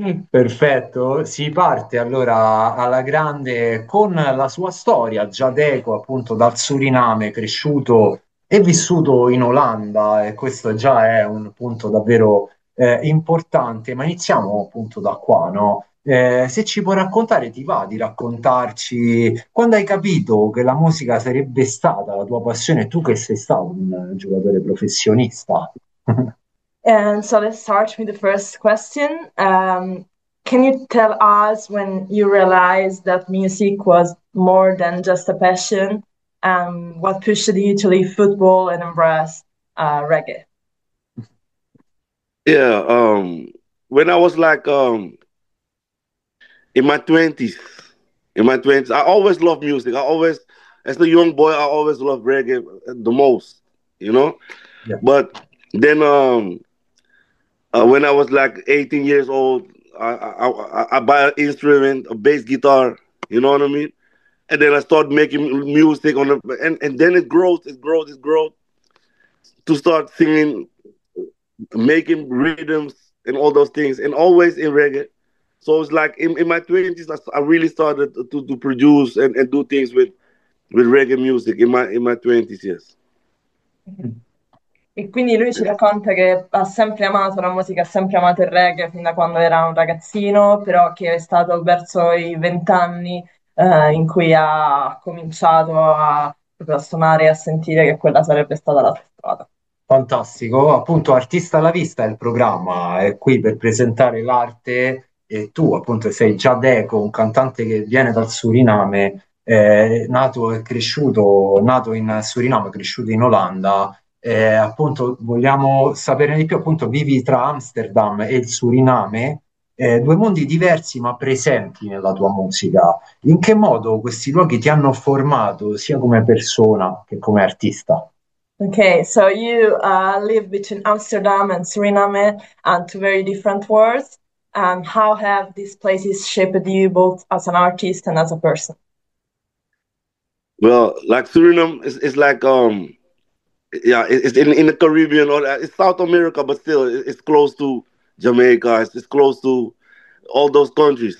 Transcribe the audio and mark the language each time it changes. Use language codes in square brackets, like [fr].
[it] Perfetto, si parte allora alla grande con la sua storia, già Deco appunto dal Suriname, cresciuto e vissuto in Olanda, e questo già è un punto davvero importante, ma iniziamo appunto da qua, no? Se ci puoi raccontare, ti va di raccontarci quando hai capito che la musica sarebbe stata la tua passione, tu che sei stato un giocatore professionista? [en] And so let's start with the first question. Can you tell us when you realized that music was more than just a passion? What pushed you to leave football and embrace reggae? When I was like in my 20s, I always loved music. I always, as a young boy, I always loved reggae the most, you know. But then when I was like 18 years old, I buy an instrument, a bass guitar, you know what I mean? And then I started making music on the, and then it grows to start singing, making rhythms and all those things, and always in reggae. So it's like in my 20s, I really started to produce and do things with reggae music in my 20s, yes. [it] E quindi lui ci racconta che ha sempre amato la musica, ha sempre amato il reggae fin da quando era un ragazzino, però che è stato verso i 20 anni, in cui ha cominciato a suonare e a sentire che quella sarebbe stata la sua strada. Fantastico, appunto Artista alla Vista è il programma, è qui per presentare l'arte e tu appunto sei Jadeco, un cantante che viene dal Suriname, nato in Suriname, cresciuto in Olanda, appunto vogliamo sapere di più, appunto vivi tra Amsterdam e il Suriname, due mondi diversi ma presenti nella tua musica, in che modo questi luoghi ti hanno formato sia come persona che come artista? [en] Okay, so you live between Amsterdam and Suriname, and two very different worlds. How have these places shaped you both as an artist and as a person? Well, like Suriname is like, it's in the Caribbean, or it's South America, but still it's close to Jamaica, it's close to all those countries.